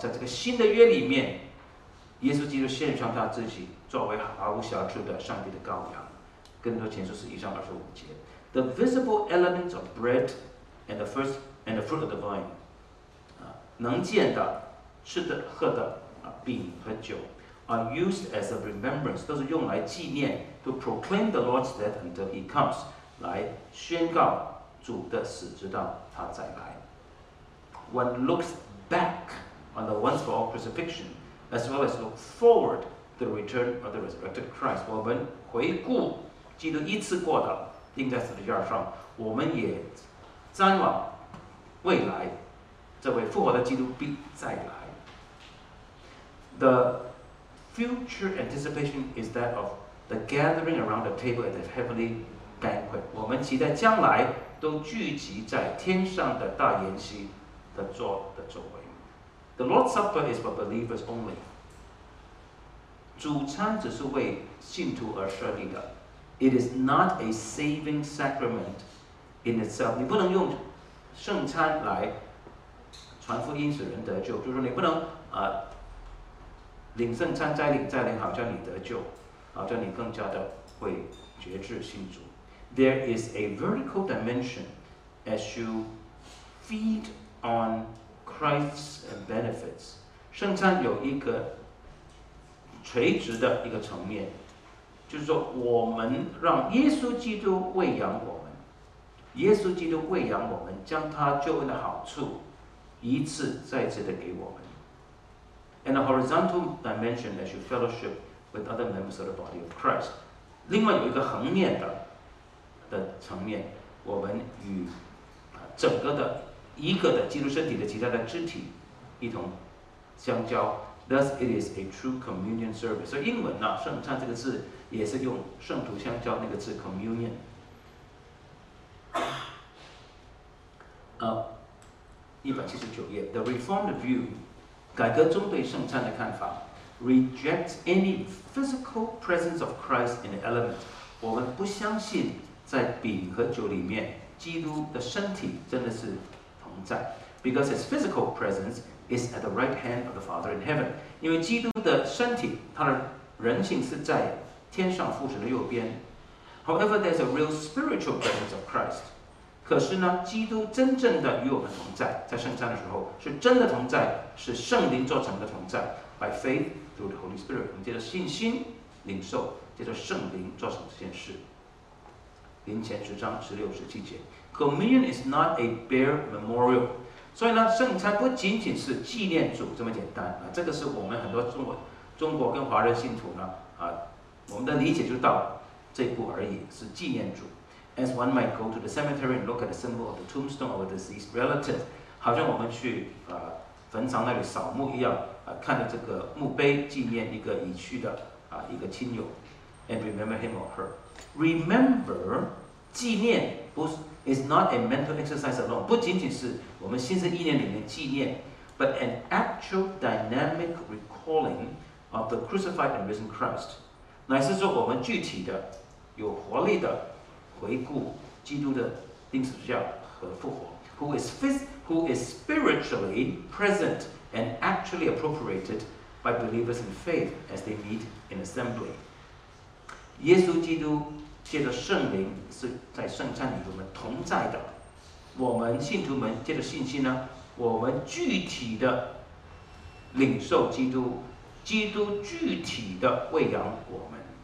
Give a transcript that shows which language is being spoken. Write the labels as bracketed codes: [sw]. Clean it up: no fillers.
[zh] 在这个新的约里面，耶稣基督献上他自己作为毫无瑕疵的上帝的羔羊。更多前书是一章二十五节。 [en] The visible elements of bread and the first and the fruit of the vine. [zh] 能见的吃的喝的饼和酒 [en] are used as a remembrance， [zh] 都是用来纪念 [en] to proclaim the Lord's death until he comes， [zh] 来宣告主的死直到他再来。 [en] One looks back on the once for all crucifixion as well as look forward to the return of the resurrected Christ， [zh] 我们回顾基督一次过的钉在十字架上，我们也瞻望未来这位复活的基督必再来。 [en] The Future anticipation is that of the gathering around the table at the heavenly banquet. [zh] 我们期待将来都聚集在天上的大筵席的座的周围。 [en] The Lord's Supper is for believers only. [zh] 主餐只是为信徒而设立的。 [en] It is not a saving sacrament in itself. [zh] 你不能用圣餐来传福音使人得救，就是你不能领圣餐再领再领，好像你得救，好像你更加的会觉知信主。 [en] There is a vertical dimension as you feed on Christ's benefits. [zh] 圣餐有一个垂直的一个层面，就是说我们让耶稣基督喂养我们，耶稣基督喂养我们，将他救恩的好处一次再次的给我们。 [en] And a horizontal dimension as you fellowship with other members of the body of Christ. [zh] 另外有一个横面的层面，我们与整个的一个的基督身体的其他的肢体一同相交。 [en] Thus it is a true communion service. [zh] 所以英文呢，圣餐这个字也是用圣徒相交那个字 communion。 179页 [en] The Reformed view. [zh] 改革中对圣餐的看法 [en] rejects any physical presence of Christ in the element. [zh] 我们不相信在饼和酒里面基督的身体真的是同在 [en] because his physical presence is at the right hand of the Father in heaven. [zh] 因为基督的身体他的人性是在天上父神的右边 [en] However, there's a real spiritual presence of Christ. [zh] 可是呢基督真正的与我们同在在圣餐的时候是真的同在是圣灵做成的同在 [en] by faith through the Holy Spirit [zh] 我们借着信心领受借着圣灵做成这件事林前十章十六十七节 [en] Communion is not a bare memorial [zh] 所以呢圣餐不仅仅是纪念主这么简单这个是我们很多中国跟华人信徒呢我们的理解就到这一步而已是纪念主 [en] as one might go to the cemetery and look at the symbol of the tombstone of a deceased relative [zh] 好像我们去坟场那里扫墓一样看着这个墓碑纪念一个已去的一个亲友 [en] and remember him or her remember [zh] 纪念不是 [en] is not a mental exercise alone [zh] 不仅仅是我们心思意念里面纪念 [en] but an actual dynamic recalling of the crucified and risen Christ [zh] 乃是说我们具体的有活力的回顾基督的钉十字架和复活 [en] who is spiritually present and actually appropriated by believers in faith as they meet in assembly. [zh] 耶稣基督借着圣灵是在圣餐里我们同在的。我们信徒们借着信心呢，我们具体的领受基督，基督具体的喂养我们。